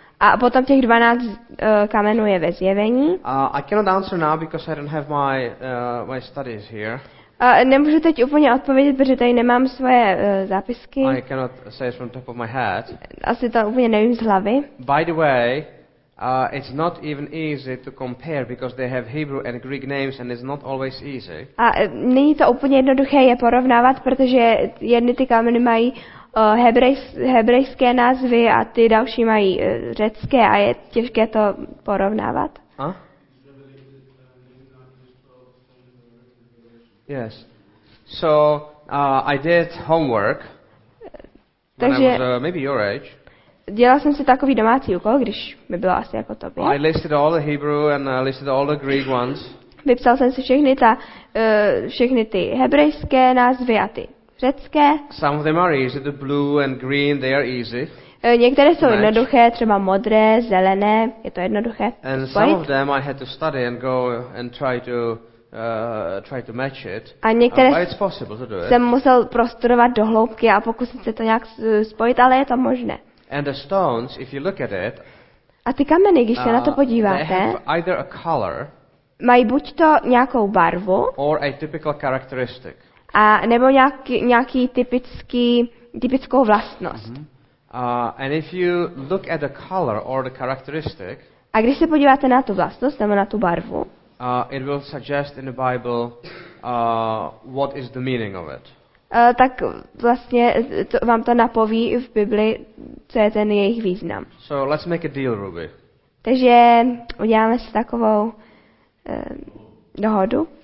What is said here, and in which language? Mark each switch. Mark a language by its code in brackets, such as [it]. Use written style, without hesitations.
[cs] A potom těch 12 kamenů je ve Zjevení. [en] I cannot answer now because I don't have my studies here. [cs] Nemůžu teď úplně odpovědět, protože tady nemám svoje zápisky. [en] I cannot say it from top of my head. [cs] Asi to úplně nevím z hlavy. [en] By the way, it's not even easy to compare because they have Hebrew and Greek names and it's not always easy. [cs] A není to úplně jednoduché je porovnávat, protože jedny ty kameny mají hebrejské názvy a ty další mají řecké a je těžké to porovnávat. A? [en] Yes. So, I did homework. [cs] Takže [en] when I was maybe your age. [cs] Dělal jsem si takový domácí úkol, když mi bylo asi jako tobě. [en] I listed all the Hebrew and I listed all the Greek ones. [cs] Vypsal jsem si všechny ty hebrejské názvy a ty řecké. [en] Some of them are easy, the blue and green, they are easy. [cs] Některé jsou jednoduché, třeba modré, zelené, je to jednoduché. [en] And [cs] spojit. [en] Some of them I had to study and go and try to match it. [cs] A některé [en] it's possible to do it. [cs] Jsem musel prostudovat do hloubky a pokusit se to nějak spojit, ale je to možné. [en] And the stones, if you look at it, [cs] a ty kameny, když se na to podíváte, [en] they have either a color, [cs] mají buď to nějakou barvu, [en] or a typical characteristic. [cs] A nebo nějaký typickou vlastnost. [en] And if you look at the color or the characteristic, [cs] a když se podíváte na tu vlastnost nebo na tu barvu, [en] it will suggest in the Bible what is the meaning of it. [cs] Tak vlastně to, vám to napoví v Bibli, co je ten jejich význam. [en] So let's make a deal, Ruby. [cs] Takže uděláme si takovou dohodu.